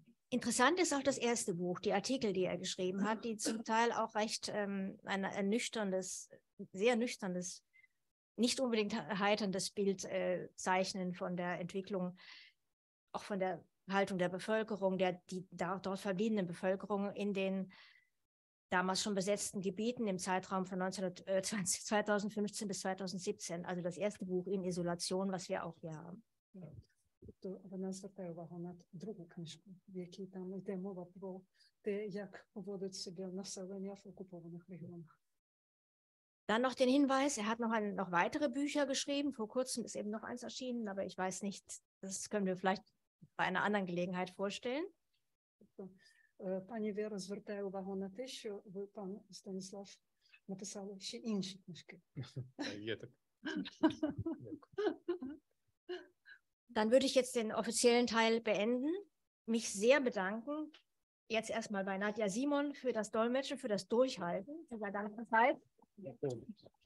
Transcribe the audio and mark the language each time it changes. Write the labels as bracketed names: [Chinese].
[German] Interessant ist auch das erste Buch, die Artikel, die er geschrieben hat, die zum Teil auch recht ein ernüchterndes, sehr nüchternes, nicht unbedingt heiterndes Bild zeichnen von der Entwicklung, auch von der Haltung der Bevölkerung, der die da, dort verbliebenen Bevölkerung in den damals schon besetzten Gebieten im Zeitraum von 2015 bis 2017, also das erste Buch in Isolation, was wir auch hier haben. [Ukrainian] Тобто вона звертає увагу на другу книжку, в якій там йде мова про те, як поводить себе населення в окупованих регіонах. [German] Dann noch den Hinweis, er hat noch, ein, noch weitere Bücher geschrieben, vor kurzem ist eben noch eins erschienen, aber ich weiß nicht, das können wir vielleicht bei einer anderen Gelegenheit vorstellen. [Ukrainian] Пані Віра звертає увагу на те, що ви, пан Станіслав, написали ще інші книжки. Є так. [German] Dann würde ich jetzt den offiziellen Teil beenden, mich sehr bedanken, jetzt erstmal bei Nadja Simon für das Dolmetschen, für das Durchhalten. Vielen Dank für die Zeit.